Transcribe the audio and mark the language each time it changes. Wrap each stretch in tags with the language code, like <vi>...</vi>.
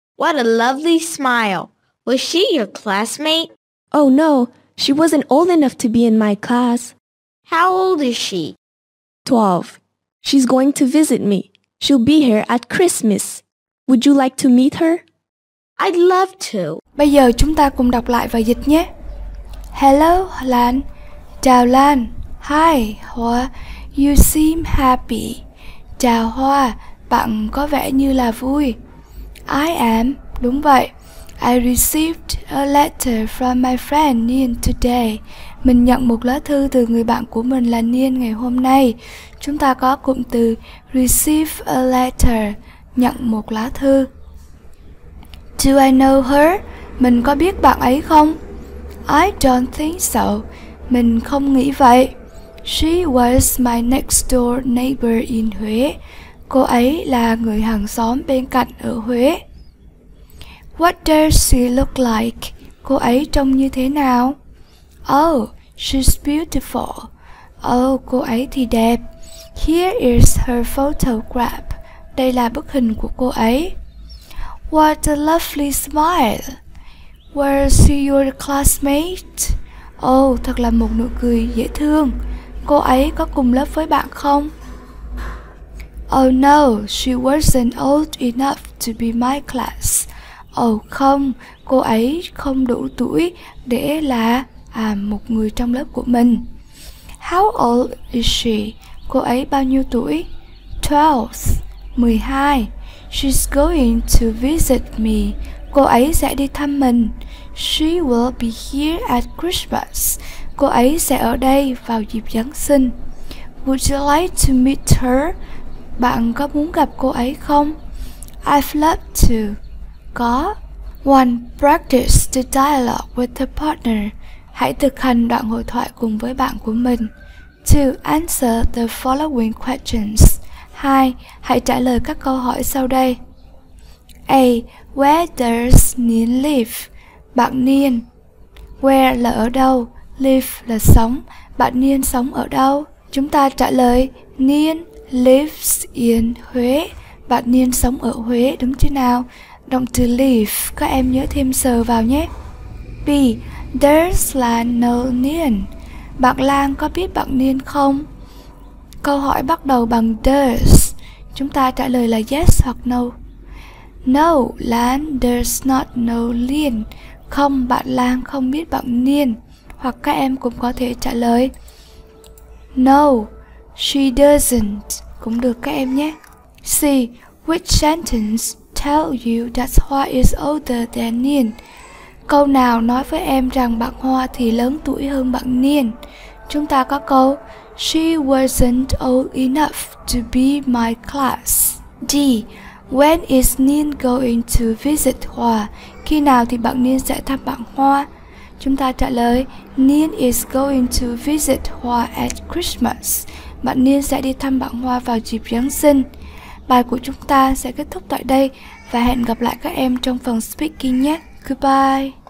<en>What a lovely smile. Was she your classmate? Oh no, she wasn't old enough to be in my class. How old is she? 12. She's going to visit me. She'll be here at Christmas. Would you like to meet her? I'd love to.</en> <vi>Bây giờ chúng ta cùng đọc lại và dịch nhé.</vi> <en>Hello, Lan.</en> <vi>Chào</vi> <en>Lan. Hi, Hoa. You seem happy.</en> <vi>Chào Hoa, bạn có vẻ như là vui.</vi> <en>I am,</en> <vi>đúng vậy.</vi> <en>I received a letter from my friend Nien today.</en> <vi>Mình nhận một lá thư từ người bạn của mình là Niên ngày hôm nay. Chúng ta có cụm từ</vi> <en>receive a letter,</en> <vi>nhận một lá thư.</vi> <en>Do I know her?</en> <vi>Mình có biết bạn ấy không?</vi> <en>I don't think so.</en> <vi>Mình không nghĩ vậy.</vi> <en>She was my next door neighbor in Huế.</en> <vi>Cô ấy là người hàng xóm bên cạnh ở Huế.</vi> <en>What does she look like?</en> <vi>Cô ấy trông như thế nào? Oh,</vi> <en>she's beautiful.</en> <vi>Oh, cô ấy thì đẹp.</vi> <en>Here is her photograph.</en> <vi>Đây là bức hình của cô ấy.</vi> <en>What a lovely smile. Was she your classmate?</en> <vi>Oh, thật là một nụ cười dễ thương. Cô ấy có cùng lớp với bạn không?</vi> <en>Oh no, she wasn't old enough to be my class.</en> <vi>Oh không, cô ấy không đủ tuổi để là một người trong lớp của mình.</vi> <en>How old is she?</en> <vi>Cô ấy bao nhiêu tuổi? 12. 12.</vi> <en>She's going to visit me.</en> <vi>Cô ấy sẽ đi thăm mình.</vi> <en>She will be here at Christmas.</en> <vi>Cô ấy sẽ ở đây vào dịp Giáng sinh.</vi> <en>Would you like to meet her?</en> <vi>Bạn có muốn gặp cô ấy không?</vi> <en>I'd love to. Có. One, practice the dialogue with the partner.</en> <vi>Hãy thực hành đoạn hội thoại cùng với bạn của mình.</vi> <en>Two, answer the following questions.</en> <vi>Hai, hãy trả lời các câu hỏi sau đây.</vi> <en>A, where does Niên live?</en> <vi>Bạn Niên. Where là ở đâu? Live là sống. Bạn Niên sống ở đâu? Chúng ta trả lời</vi> <en>Niên lives in Huế.</en> <vi>Bạn Niên sống ở Huế, đúng chứ nào? Động từ live, các em nhớ thêm sờ vào nhé. B.</vi> <en>Does Lan know Niên?</en> <vi>Bạn Lan có biết bạn Niên không? Câu hỏi bắt đầu bằng does. Chúng ta trả lời là yes hoặc no.</vi> <en>No, Lan does not know Niên.</en> <vi>Không, bạn Lan không biết bạn Niên. Hoặc các em cũng có thể trả lời</vi> <en>no, she doesn't.</en> <vi>Cũng được các em nhé. C.</vi> <en>Which sentence tell you that Hoa is older than Niên?</en> <vi>Câu nào nói với em rằng bạn Hoa thì lớn tuổi hơn bạn Niên? Chúng ta có câu</vi> <en>she wasn't old enough to be my class.</en> <vi>D.</vi> <en>When is Niên going to visit Hoa?</en> <vi>Khi nào thì bạn Niên sẽ thăm bạn Hoa? Chúng ta trả lời</vi> <en>Niên is going to visit Hoa at Christmas.</en> <vi>Bạn Niên sẽ đi thăm bạn Hoa vào dịp Giáng sinh. Bài của chúng ta sẽ kết thúc tại đây và hẹn gặp lại các em trong phần speaking nhé. Goodbye.</vi>